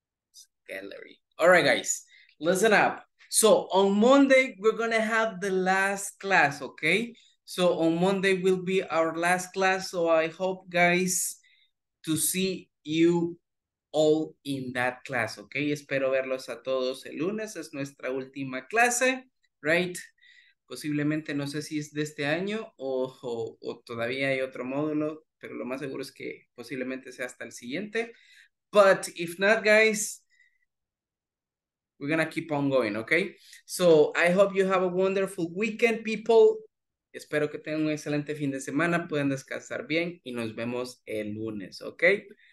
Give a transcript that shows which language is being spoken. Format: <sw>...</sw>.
<en>It's gallery. All right, guys. Listen up. So on Monday, we're going to have the last class, okay? So on Monday will be our last class. So I hope, guys, to see you all in that class, okay?</en> <es>Espero verlos a todos el lunes. Es nuestra última clase, right? Posiblemente, no sé si es de este año o todavía hay otro módulo, pero lo más seguro es que posiblemente sea hasta el siguiente.</es> <en>But if not, guys, we're gonna keep on going, okay? So I hope you have a wonderful weekend, people.</en> <es>Espero que tengan un excelente fin de semana, puedan descansar bien y nos vemos el lunes, okay?</es>